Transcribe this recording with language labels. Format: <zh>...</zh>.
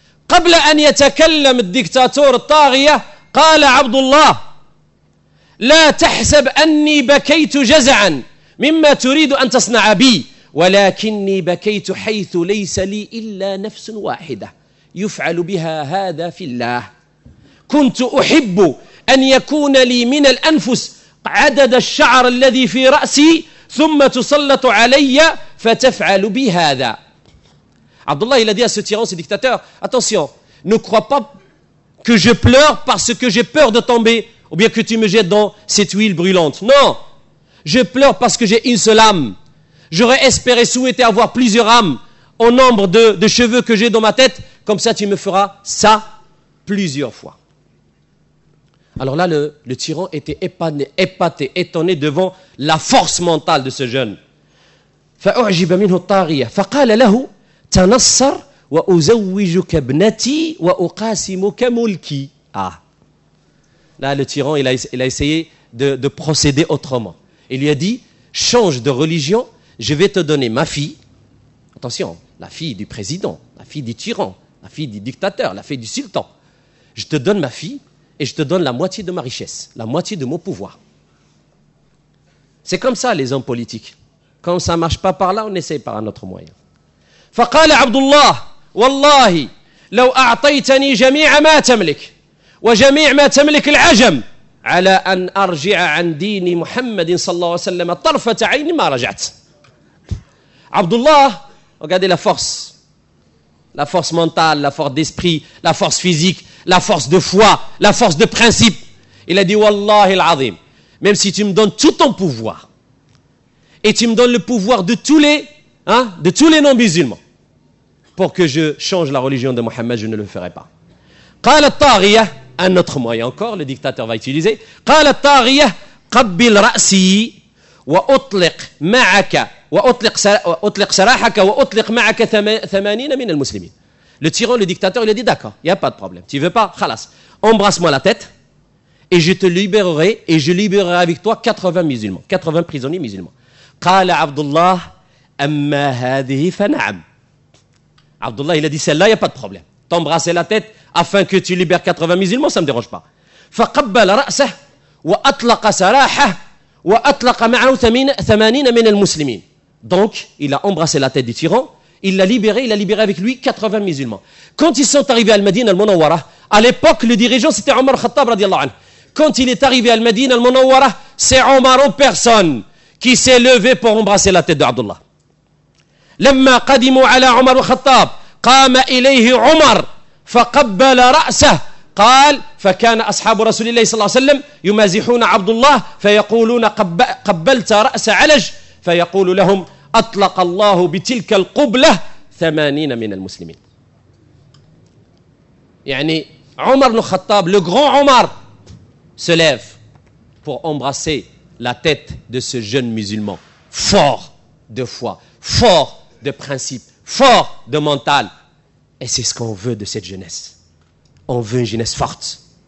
<ar>قبل أن يتكلم الدكتاتور الطاغية قال عبد الله لا تحسب أني بكيت جزعا مما تريد أن تصنع بي ولكني بكيت حيث ليس لي إلا نفس واحدة يفعل بها هذا في الله كنت أحب أن يكون لي من الأنفس عدد الشعر الذي في رأسي ثم تسلط علي فتفعل بهذا.</ar> <fr>Abdullah, il a dit à ce tyran, ce dictateur, attention, ne crois pas que je pleure parce que j'ai peur de tomber ou bien que tu me jettes dans cette huile brûlante. Non, je pleure parce que j'ai une seule âme. J'aurais espéré, souhaité avoir plusieurs âmes au nombre de cheveux que j'ai dans ma tête. Comme ça, tu me feras ça plusieurs fois. Alors là, le tyran était épaté, étonné devant la force mentale de ce jeune.</fr> <ar>فَأُعْجِبَ مِنْهُ الطَّارِيَ فَقَالَ لَهُ تنصر وأزوجك ابنتي وأقاسمك ملكي. Ah.</ar> <fr>Là, le tyran, il a essayé de procéder autrement. Il lui a dit, change de religion, je vais te donner ma fille. Attention, la fille du président, la fille du tyran, la fille du dictateur, la fille du sultan. Je te donne ma fille et je te donne la moitié de ma richesse, la moitié de mon pouvoir. C'est comme ça, les hommes politiques. Quand ça ne marche pas par là, on essaie par un autre moyen.</fr> <ar>فقال عبد الله والله لو أعطيتني جميع ما تملك وجميع ما تملك العجم على أن أرجع عن دين محمد صلى الله عليه وسلم طرفة عين ما رجعت.</ar> <fr>عبد الله, regardez la force mentale, la force d'esprit, la force physique, la force de foi, la force de principe. Il a dit,</fr> <ar>والله العظيم,</ar> <fr>même si tu me donnes tout ton pouvoir et tu me donnes le pouvoir de tous les de tous les non-musulmans, pour que je change la religion de Mohammed, je ne le ferai pas.</fr> <ar>قال الطاغية,</ar> <fr>un autre moyen encore, le dictateur va utiliser.</fr> <ar>قال الطاغية, قبل رأسي وأطلق سراحك وأطلق معك 80 من المسلمين.</ar> <fr>Le tyran, le dictateur, il a dit, d'accord, il n'y a pas de problème. Tu ne veux pas,</fr> <ar>خلاص.</ar> <fr>Embrasse-moi la tête et je te libérerai et je libérerai avec toi 80 musulmans, 80 prisonniers musulmans.</fr> <ar>قال عبد الله, أما هذه فنعم.</ar> <fr>Abdullah, il a dit, celle-là, il n'y a pas de problème. T'embrasser la tête afin que tu libères 80 musulmans, ça ne me dérange pas.</fr> <ar>فَقَبَّلَ رَأْسَهُ وَأَطْلَقَ سَرَاحَهُ وَأَطْلَقَ مَعَهُ 80 مِنَ الْمُسْلِمِينَ.</ar> <fr>Donc, il a embrassé la tête du tyran, il l'a libéré avec lui 80 musulmans. Quand ils sont arrivés à Al-Madin, Al-Munawwara, à l'époque, le dirigeant, c'était Omar Khattab,</fr> <ar>radiallahu anhu.</ar> <fr>Quand il est arrivé à Al-Madin, Al-Munawwara, c'est Omar en personne qui s'est levé pour embrasser la tête d'Abdullah.</fr> <ar>لما قدموا على عمر الخطاب قام إليه عمر فقبل رأسه قال فكان أصحاب رسول الله صلى الله عليه وسلم يمازحون عبد الله فيقولون قبلت رأس علج فيقول لهم أطلق الله بتلك القبلة 80 من المسلمين. يعني</ar> <fr>Omar ibn Khattab, le grand Omar, se lève pour embrasser la tête de ce jeune musulman, fort de foi, fort de principe, fort de mental. Et c'est ce qu'on veut de cette jeunesse. On veut une jeunesse forte.</fr>